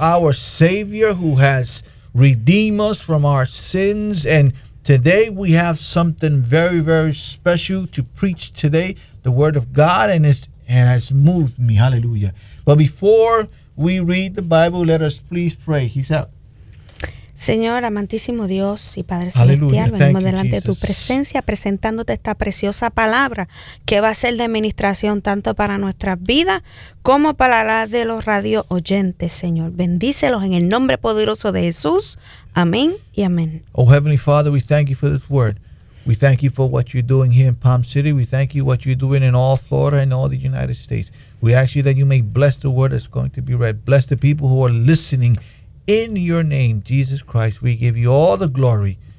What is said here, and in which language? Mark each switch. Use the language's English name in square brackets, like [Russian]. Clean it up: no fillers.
[English] Our Savior who has redeemed us from our sins. And today we have something very, very special to preach today. The Word of God and has moved me. Hallelujah. But before we read the Bible, let us please pray. He's out. [Spanish] Señor, amantísimo Dios y Padre Celestial, venimos delante de tu presencia presentándote esta preciosa palabra que va a ser de administración tanto para nuestras vidas como para las de los radio oyentes, Señor. Bendícelos en el nombre poderoso de Jesús. Amén y amén. [English] Oh, Heavenly Father, we thank you for this word. We thank you for what you're doing here in Palm City. We thank you what you're doing in all Florida and all the United States. We ask you that you may bless the word that's going to be read. Bless the people who are listening. In your name, Jesus Christ, we give you all the glory.